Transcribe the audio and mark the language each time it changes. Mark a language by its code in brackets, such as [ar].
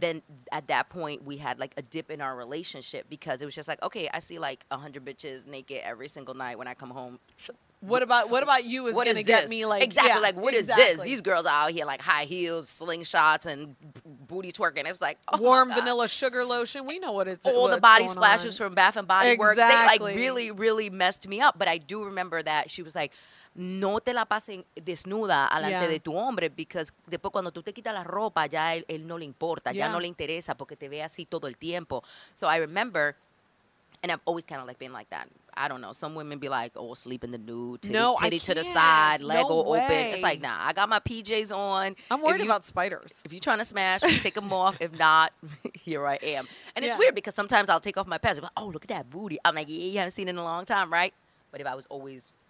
[en] Then at that point we had like a dip in our relationship because it was just like, okay, I see like 100 bitches naked every single night when I come home. What about you is going to get me like... Exactly. Yeah, like, what is this? These girls are out here like high heels, slingshots, and booty twerking. It's like, oh warm vanilla sugar lotion. We know what it's all the body splashes from Bath and Body Works. Exactly. They like really, really messed me up. But I do remember that she was like, [es] no te la pasen desnuda alante de tu hombre [en] because [es] después cuando tú te quitas la ropa, ya él no le importa, ya no le interesa porque te ve así todo el tiempo. [en] So I remember, and I've always kind of like been like that. I don't know. Some women be like, oh, sleep in the nude, titty to the side, leg all open. It's like, nah, I got my PJs on. I'm worried about spiders. If you're trying to smash, take them off. If not, here I am. And it's weird because sometimes I'll take off my pants and be like, oh, look at that booty. I'm like, yeah, you haven't seen it in a long time, right? But if I was always